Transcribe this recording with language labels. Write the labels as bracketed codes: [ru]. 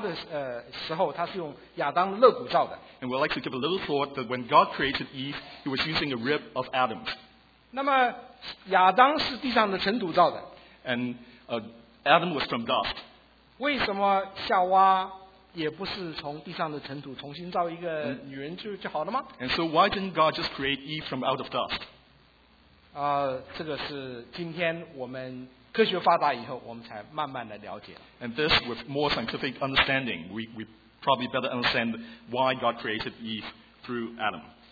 [zh] 我们要仔细想一想，这个上帝造的这个夏娃的时候，他是用亚当的肋骨造的。 [en] And we'd like to give a little thought that when God created Eve, He was using a rib of Adam. [zh] 那么亚当是地上的尘土造的。 [en] And Adam was from dust. [zh] 为什么夏娃也不是从地上的尘土重新造一个女人就好了吗？ [en] And so why didn't God just create Eve from out of dust? [zh] 这个是今天我们科学发达以后，我们才慢慢的了解。 [en] And this, with more scientific understanding, we probably better understand why God created Eve through Adam.